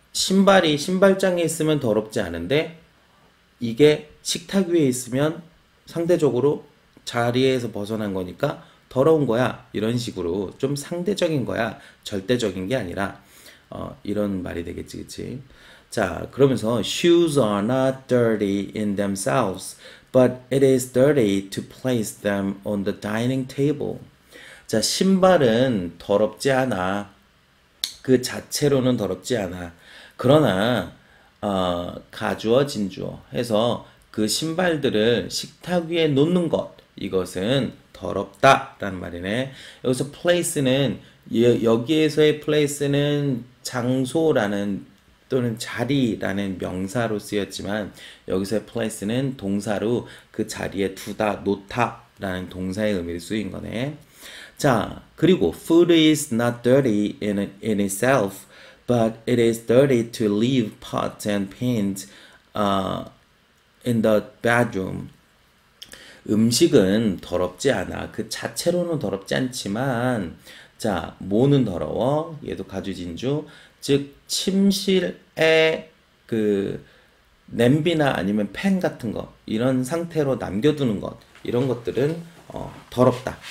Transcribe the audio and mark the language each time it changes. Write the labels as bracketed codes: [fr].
[ko] 신발이 신발장에 있으면 더럽지 않은데 이게 식탁 위에 있으면 상대적으로 자리에서 벗어난 거니까 더러운 거야. 이런 식으로 좀 상대적인 거야. 절대적인 게 아니라 이런 말이 되겠지, 그치? 자, 그러면서 [en] shoes are not dirty in themselves, but it is dirty to place them on the dining table. [ko] 자, 신발은 더럽지 않아. 그 자체로는 더럽지 않아. 그러나 가주어 진주어 해서 그 신발들을 식탁 위에 놓는 것, 이것은 더럽다라는 말이네. 여기서 place는 여기에서의 place는 장소라는 또는 자리라는 명사로 쓰였지만 여기서의 place는 동사로 그 자리에 두다, 놓다라는 동사의 의미를 쓰인 거네. 자, 그리고 [en] food is not dirty in itself. But it is dirty to leave pots and pans, in the bedroom. [ko] 음식은 더럽지 않아. 그 자체로는 더럽지 않지만, 자, 뭐는 더러워? 얘도 가주진주. 즉, 침실에 그 냄비나 아니면 팬 같은 거, 이런 상태로 남겨두는 것, 이런 것들은 더럽다.